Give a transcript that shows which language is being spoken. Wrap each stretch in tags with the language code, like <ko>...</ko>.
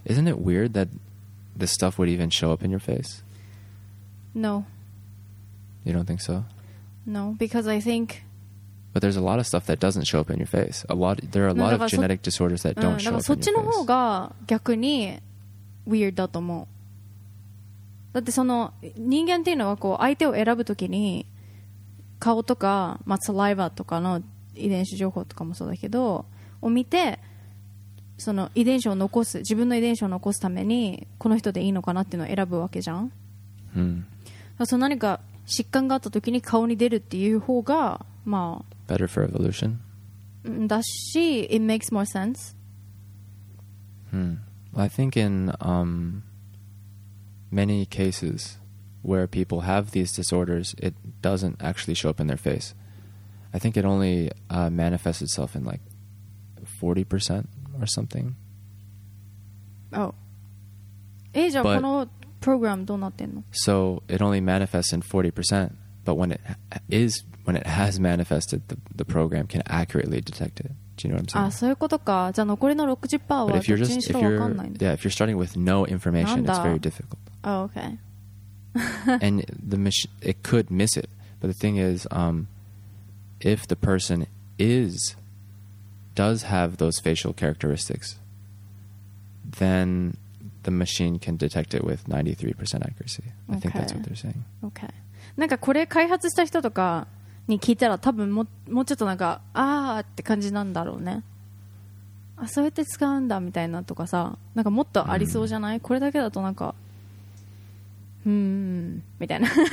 <en>Isn't it weird that this stuff would even show up in your face? No. You don't think so? No, because I think... But there's a lot of stuff that doesn't show up in your face. There are a lot of genetic disorders that don't show up in your face.</en> <ja>だからそっちの方が逆にWeird だと思う。だってその人間っていうのはこう相手を選ぶときに顔とか、まあ、サライバーとかの遺伝子情報とかもそうだけどを見てその遺伝子を残す自分の遺伝子を残すためにこの人でいいのかなっていうのを選ぶわけじゃん。だからその何か疾患があったときに顔に出るっていう方がまあ</ja> <en>Better for evolution だし It makes more sense。 I think in many cases where people have these disorders, it doesn't actually show up in their face. I think it only manifests itself in like 40% or something. Oh.</en> <ja>じゃあこのプログラムどうなってんの?</ja> <en>So it only manifests in 40%, but when it has manifested, the program can accurately detect it. Do you know what I'm saying?</en> <ja>そういうことか。じゃあ残りの 60% はどっちにしろ分かんないんだ。</ja> <en>Yeah, if you're starting with no information, it's very difficult. Oh, okay. And it could miss it. But the thing is, if the person does have those facial characteristics, then the machine can detect it with 93% accuracy. I think that's what they're saying. Okay.</en> <ja>なんかこれ開発した人とかに聞いたら多分もうちょっとなんかあーって感じなんだろうね。あ、そうやって使うんだみたいなとかさ、なんかもっとありそうじゃない？これだけだとなんかみたいな。</ja>